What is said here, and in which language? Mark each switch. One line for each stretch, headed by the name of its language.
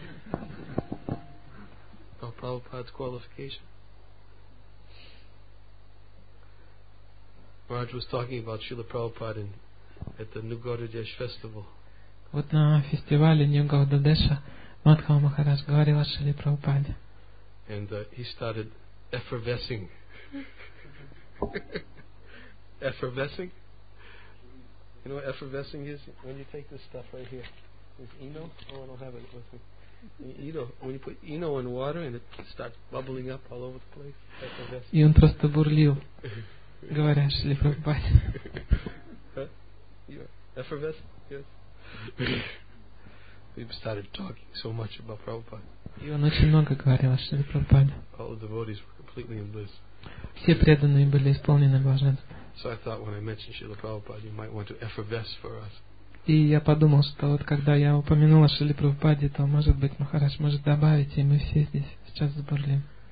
English: of Prabhupada's qualification. Maharaj was talking about Srila Prabhupada in, at the New Gaudadesh festival.
Russian: Вот на фестивале New Gaudadesh Мадхава Махарадж говорил о Шриле Прабхупаде.
English: And he started effervescing. Effervescing? You know what effervescing is? When you take this stuff right here. Is Eno? Oh, I don't have it with me. Eno, when you put Eno in water and it starts bubbling up all over the place.
Russian: И он просто бурлил, говоря о Шриле Прабхупаде.
English: Effervescing? Yes. He started talking so much about Prabhupada.
Russian: И он очень много говорил о Шриле Прабхупаде.
English: All the devotees were completely in bliss.
Russian: Все преданные были исполнены блаженства.
English: So I thought when I mentioned Srila Prabhupada, you might want to effervesce for us.
Russian: И я подумал, что вот когда я упомянул о Шриле Прабхупаде, то может быть Махарадж может добавить, и мы все здесь сейчас забурлим.